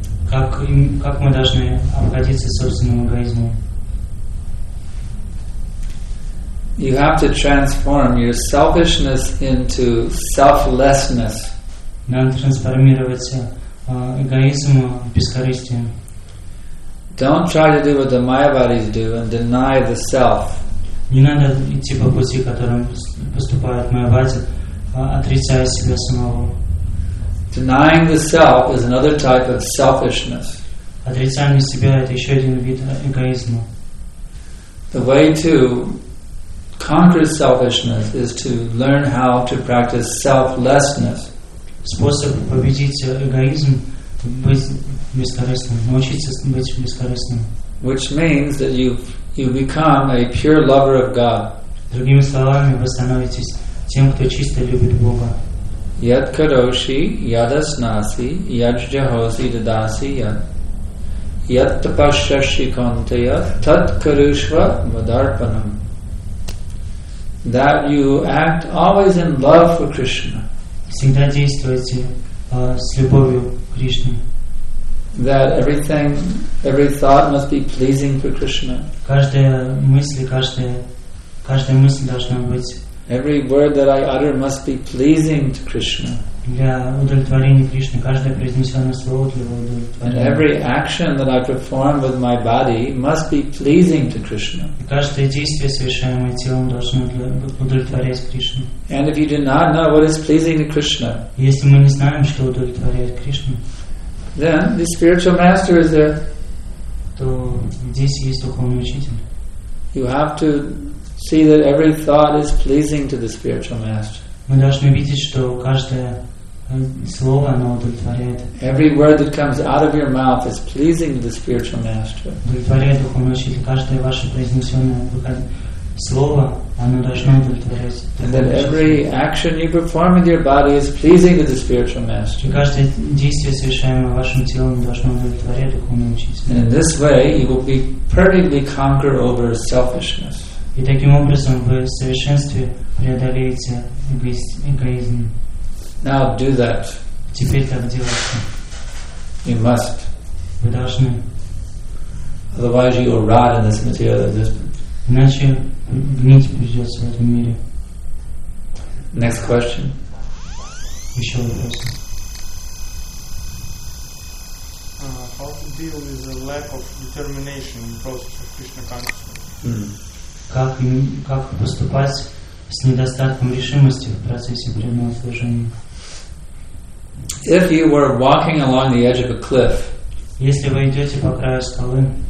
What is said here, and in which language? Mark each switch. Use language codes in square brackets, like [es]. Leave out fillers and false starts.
[ru] Как мы должны обходиться с собственным эгоизмом? [en] You have to transform your selfishness into selflessness. [ru] Надо трансформировать эгоизм в бескорыстие. [en] Don't try to do what the Mayavadis do and deny the self. [ru] Не надо идти по пути, которым поступают майявади, отрицая себя самого. [en] Denying the self is another type of selfishness. [ru] Отрицание себя — это еще один вид эгоизма. [en] The way to conquer selfishness is to learn how to practice selflessness. [ru] Способ победить эгоизм — быть бескорыстным, научиться быть бескорыстным. [en] Which means that you become a pure lover of God. [ru] Другими словами, вы становитесь тем, кто чисто любит Бога. [sa] Яд кароши, ядаснаси, яджджахоси, дадаси, яд. Яд тапашаши контая, тат карушва, мадарпанам. [en] That you act always in love for Krishna. [ru] Всегда действуйте с любовью к Кришне. [en] That everything, every thought must be pleasing for Krishna. [ru] Каждая мысль должна быть. [en] Every word that I utter must be pleasing to Krishna. [ru] Для удовлетворения Кришны каждое произнесенное слово для его удовлетворения. [en] And every action that I perform with my body must be pleasing to Krishna. [ru] И каждое действие, совершаемое телом, должно удовлетворять Кришне. [en] And if you do not know what is pleasing to Krishna, [ru] если мы не знаем, что удовлетворяет Кришну, [en] then the spiritual master is there. [ru] То здесь есть духовный учитель. [en] You have to see that every thought is pleasing to the spiritual master. [ru] Мы должны видеть, что каждое слово оно удовлетворяет. [en] Every word that comes out of your mouth is pleasing to the spiritual master. [ru] Удовлетворяет духовный учитель. Каждое ваше произнесенное слово оно должно удовлетворять. [en] And that every action you perform with your body is pleasing to the spiritual master. [ru] Каждое действие, совершаемое вашим телом, должно удовлетворять духовному учителю. [en] And in this way, you will be perfectly conquer over selfishness. [ru] И таким образом вы в совершенстве преодолеете эгоизм. [en] Now do that. [ru] Теперь так делайте. [en] You must. [ru] Вы должны. [en] Otherwise, you will rot in this material existence. [ru] Иначе гнить придется в этом мире. [en] Next question. [ru] Еще вопрос. [en] How to deal with the lack of determination in the process of Krishna consciousness? [ru] Как поступать с недостатком решимости в процессе преданного служения? [en] If you were walking along the edge of a cliff, [ru] если вы идете по краю скалы,